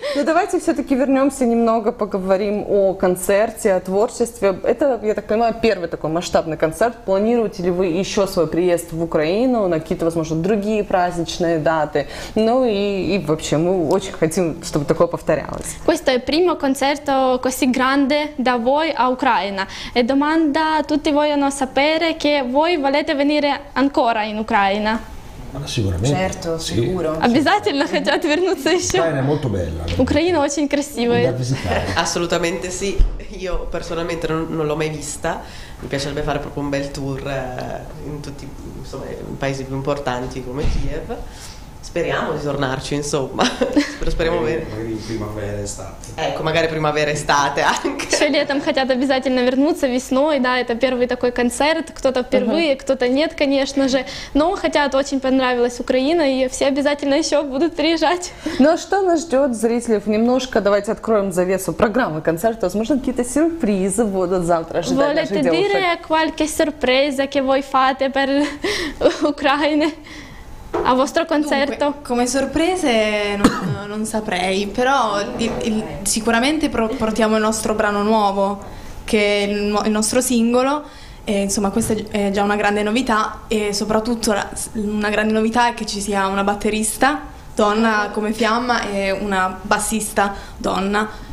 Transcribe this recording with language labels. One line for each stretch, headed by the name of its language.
Russian: Ну давайте все-таки вернемся немного, поговорим о концерте, о творчестве. Это, я так понимаю, первый такой масштабный концерт. Планируете ли вы еще свой приезд в Украину на какие-то, возможно, другие праздничные даты? Ну и вообще, мы очень хотим, чтобы такое повторялось.
Italian: Questo è il primo concerto così grande da voi a Ucraina. E domanda, tutti vogliono sapere che voi volete venire ancora in Ucraina? Sicuramente. Certo, sicuro.
Russian: Обязательно хотят вернуться еще.
Italian: Украина molto bella.
Russian: Украина очень красивая.
Italian: Assolutamente sì. Io personalmente non l'ho mai vista. Mi piacerebbe fare proprio un bel tour in tutti, insomma, in paesi più importanti come Kiev. Speriamo di tornarci, insomma. Speriamo bene. Magari in primavera e estate. Ecco, magari primavera e estate anche.
Russian: Cioè, летом хотят обязательно вернуться весной, да, это первый такой концерт. Кто-то впервые, кто-то нет, конечно же. Но хотят, очень понравилась Украина, и все обязательно еще будут приезжать. Ну а что нас ждет, зрителей? Немножко давайте откроем завесу программы концерта. Возможно, какие-то сюрпризы будут завтра ожидать.
Italian: Volete dire qualche sorpresa che voi fate per Ucraina? A vostro concerto? Dunque, come sorprese non saprei, però sicuramente portiamo il nostro brano nuovo, che è il nostro singolo, e insomma questa è già una grande novità, e soprattutto una grande novità è che ci sia una batterista donna come Fiamma e una bassista donna.